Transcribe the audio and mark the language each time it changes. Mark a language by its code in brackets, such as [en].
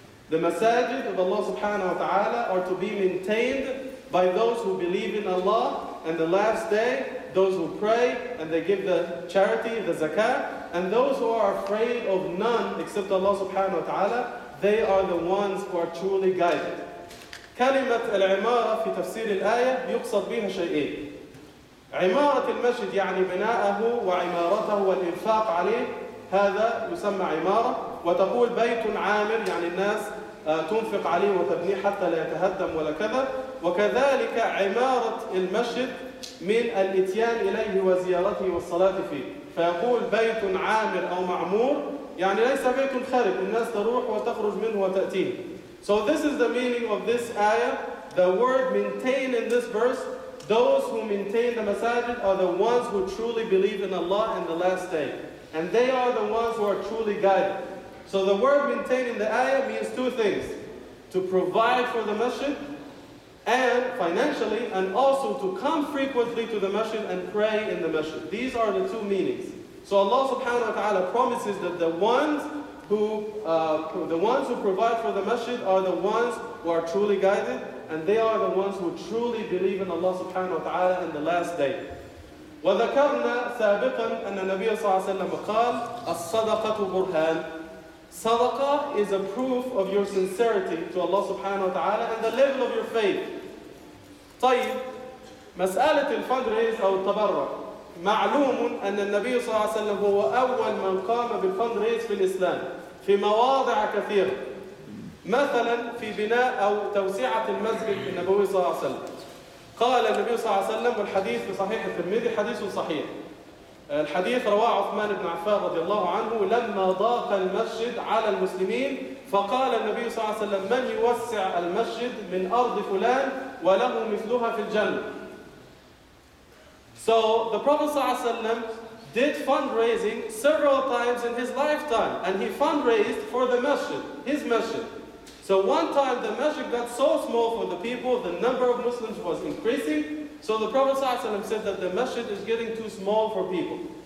[en] The masajid of Allah subhanahu wa ta'ala are to be maintained by those who believe in Allah and the last day, those who pray and they give the charity, the zakat, and those who are afraid of none except Allah subhanahu wa ta'ala, they are the ones who are truly guided. [ar] كلمة العمارة في تفسير الآية يقصد بها شيئين. عمارة المسجد يعني بناءه وعمارته والإنفاق عليه هذا يسمى عمارة وتقول بيت عامر يعني الناس تنفق عليه وتبنيه حتى لا يتهدم ولا كذا وكذلك عمارة المسجد من الإتيان إليه وزيارته والصلاة فيه فيقول بيت عامر أو معمور يعني ليس بيت خرب الناس تروح وتخرج منه وتأتيه. [en] So this is the meaning of this ayah. The word maintain in this verse, those who maintain the masajid are the ones who truly believe in Allah and the last day. And they are the ones who are truly guided. So the word maintain in the ayah means two things. To provide for the masjid and financially and also to come frequently to the masjid and pray in the masjid. These are the two meanings. So Allah subhanahu wa ta'ala promises that the ones who provide for the masjid are the ones who are truly guided and they are the ones who truly believe in Allah subhanahu wa ta'ala in the last day. [ar] وَذَكَرْنَا سَابِقًا أَنَّ النَّبِيَ صَلَّى اللَّهُ عَلَيْهِ وَسَلَّمَ قَالَ الصَّدَقَةُ بُرْهَانٌ. [en] Sadaqah is a proof of your sincerity to Allah subhanahu wa ta'ala and the level of your faith. [ar] طيب مسألة الفندريز أو التبرع معلوم أن النبي صلى الله عليه وسلم هو أول من قام بالفندريز في الإسلام في مواضع كثيرة مثلا في بناء أو توسعة المسجد النبوي صلى الله عليه وسلم قال النبي صلى الله عليه وسلم والحديث في صحيح الترمذي حديث صحيح الحديث رواه عثمان بن عفان رضي الله عنه لما ضاق المسجد على المسلمين فقال النبي صلى الله عليه وسلم من يوسع المسجد من أرض فلان وله مثلها في الجنة. [en] So the Prophet ﷺ did fundraising several times in his lifetime and he fundraised for the masjid, his masjid. So one time the masjid got so small for the people, the number of Muslims was increasing. So the Prophet ﷺ said that the masjid is getting too small for people.